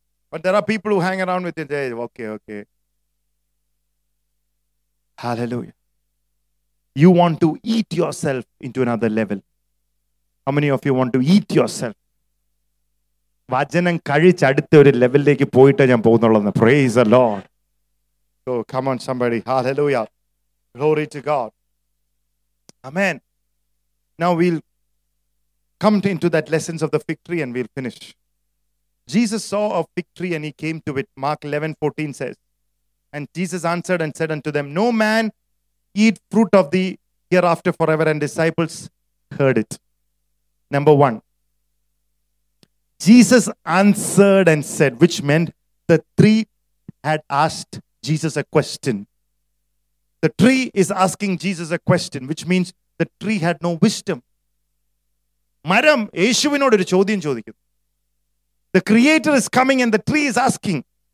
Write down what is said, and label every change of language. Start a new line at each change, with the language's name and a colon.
English: But there are people who hang around with you and say, okay. Hallelujah. You want to eat yourself into another level. How many of you want to eat yourself?
Malayalam: വചനം കഴിച്ച് അടുത്ത ഒരു ലെവലിലേക്ക് പോയിട്ടാ ഞാൻ പോകുന്നുള്ളത്.
English: Praise the Lord. So come on somebody. Hallelujah. Glory to God. Amen. Now will come to into that lessons of the fig tree and will finish. Jesus saw a fig tree and he came to it. Mark 11:14 says, and Jesus answered and said unto them, no man eat fruit of thee hereafter for ever, and disciples heard it. Number 1. Jesus answered and said, which meant the tree had asked Jesus a question. The tree is asking Jesus a question, which means the tree had no wisdom.
Malayalam: Maram Yeshuvinod oru chodyam chodikkunnu.
English: The creator is coming and the tree is asking.